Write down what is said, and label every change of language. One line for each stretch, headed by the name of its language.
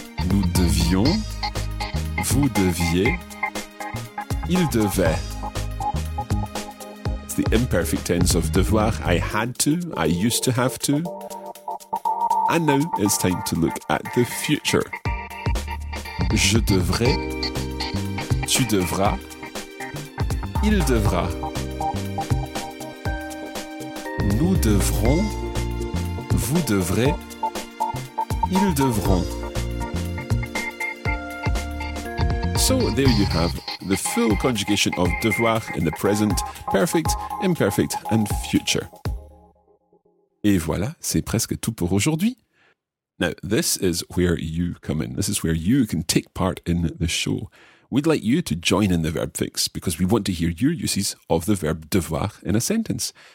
French: Nous devions. Vous deviez. Il devait.
English: The imperfect tense of devoir. I had to, I used to have to. And now it's time to look at the future.
French: Je devrais, tu devras, il devra, nous devrons, vous devrez, ils devront.
English: So there you have the full conjugation of devoir in the present, perfect, imperfect, and future.
French: Et voilà, c'est presque tout pour aujourd'hui.
English: Now, this is where you come in. This is where you can take part in the show. We'd like you to join in the verb fix because we want to hear your uses of the verb devoir in a sentence.